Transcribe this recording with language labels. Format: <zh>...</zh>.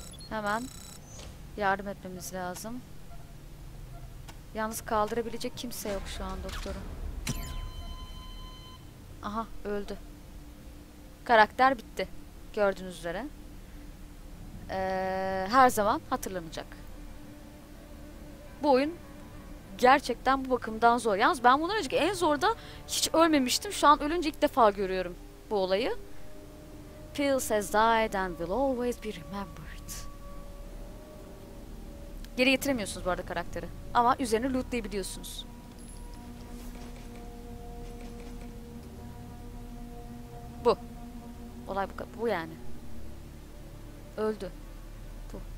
<tr>Hemen yardım etmemiz lazım. Yalnız kaldırabilecek kimse yok şu an doktorum. Aha öldü. Karakter bitti. Gördüğünüz üzere. Her zaman hatırlanacak. Bu oyun gerçekten bu bakımdan zor. Yalnız ben bundan önceki en zorda hiç ölmemiştim. Şu an ölünce ilk defa görüyorum bu olayı.</tr> <en>Phil has died and will always be remembered.</en> <tr>Geri getiremiyorsunuz bu arada karakteri. Ama üzerine lootlayabiliyorsunuz. Bu. Olay bu yani. Öldü. Bu.</tr>